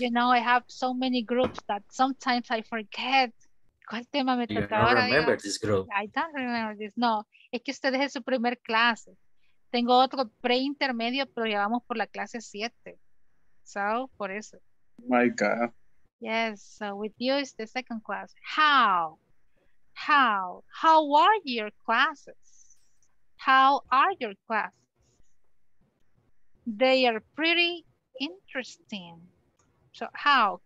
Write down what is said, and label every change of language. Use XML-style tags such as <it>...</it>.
<en>You know, I have so many groups that sometimes I forget.</en> <es>¿Cuál tema me tocaba?</es> <en>I don't remember this group.</en> <es>No, es que ustedes es su primer clase. Tengo otro pre-intermedio, pero ya vamos por la clase 7. So, por eso.</es> <en>My God. Yes, so with you is the second class. How are your classes? How are your classes? They are pretty interesting. So how?</en>